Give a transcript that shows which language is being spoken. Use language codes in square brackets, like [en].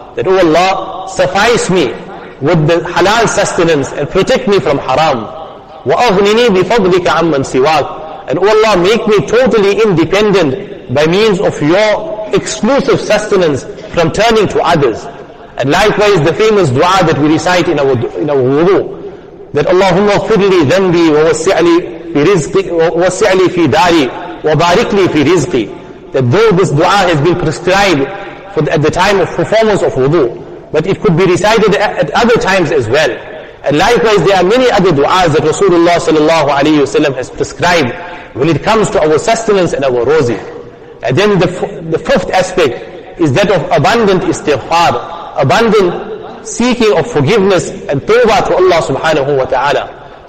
[en] That, oh Allah, suffice me with the halal sustenance and protect me from haram. [ar] وَأَغْنِنِي بِفَضْلِكَ عَمَّنْ سِوَاكَ. [en] And, oh Allah, make me totally independent by means of your exclusive sustenance from turning to others. And likewise, the famous dua that we recite in our wudu, that [ar] اللهم اغفر لي ذنبي ووسّع لي في داري وبارك لي في رزقي. [en] That though this dua has been prescribed at the time of performance of wudu, but it could be recited at other times as well. And likewise, there are many other du'as that Rasulullah sallallahu alayhi wa sallam has prescribed when it comes to our sustenance and our rozi. And then the fifth aspect is that of abundant istighfar, abundant seeking of forgiveness and tawbah to Allah subhanahu wa ta'ala.